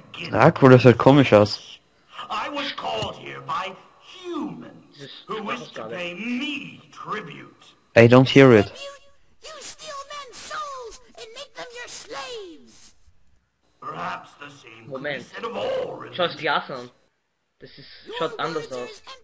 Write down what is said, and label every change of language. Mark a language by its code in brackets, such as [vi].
[de] Dracula sieht komisch aus. [en] I was called here by humans who wish to pay me tribute. I don't hear it. You steal men's souls and make them your slaves. Perhaps the same. [de] Moment. Schau dir das an. Das ist schaut anders aus.